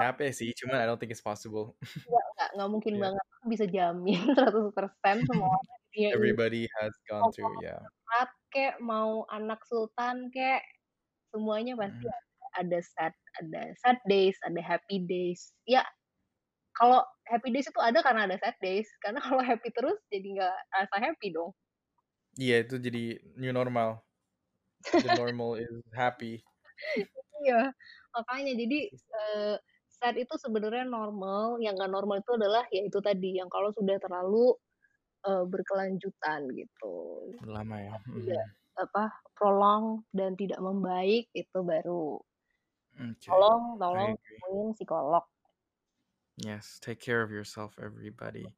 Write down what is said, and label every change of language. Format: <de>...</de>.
<id>gak capek sih, cuma</id> <en>I don't think it's possible.</en> <id>Gak mungkin banget, aku bisa jamin 100% semua orang di dunia ini.</id> <en>Everybody has gone through, yeah.</en> <id>Mau kek, mau anak sultan kek, semuanya pasti ada sad days, ada happy days. Ya, kalau happy days itu ada karena ada sad days. Karena kalau happy terus, jadi nggak rasa happy dong. Iya, itu jadi</id> <en>new normal. The normal is happy.</en> <id>Iya, makanya. Jadi, sad itu sebenarnya normal. Yang nggak normal itu adalah, ya itu tadi, yang kalau sudah terlalu berkelanjutan gitu. Lama ya. Prolong dan tidak membaik, itu baru.</id> <en>Okay.</en> <id>Tolong temuin psikolog.</id> <en>Yes, take care of yourself, everybody.</en>